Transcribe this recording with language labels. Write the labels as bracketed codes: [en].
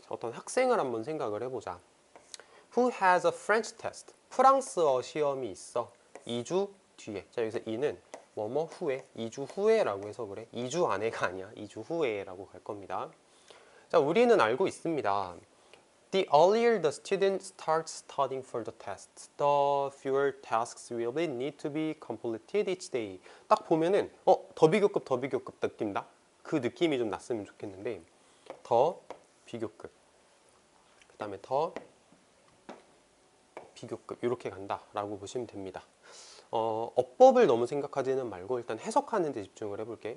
[ko] 어떤 학생을 한번 생각을 해보자. [en] Who has a French test? [ko] 프랑스어 시험이 있어. 2주 뒤에. 자, 여기서 이는 뭐뭐 후에. 2주 후에라고 해석을 해. 2주 안에가 아니야. 2주 후에라고 갈 겁니다. 자, 우리는 알고 있습니다. [en] The earlier the student starts studying for the test, the fewer tasks will be need to be completed each day. [ko] 딱 보면은 더비교급 더비교급 느낀다. 그 느낌이 좀 났으면 좋겠는데 더 비교급. 그다음에 더 비교급 이렇게 간다라고 보시면 됩니다. 어법을 너무 생각하지는 말고 일단 해석하는 데 집중을 해볼게.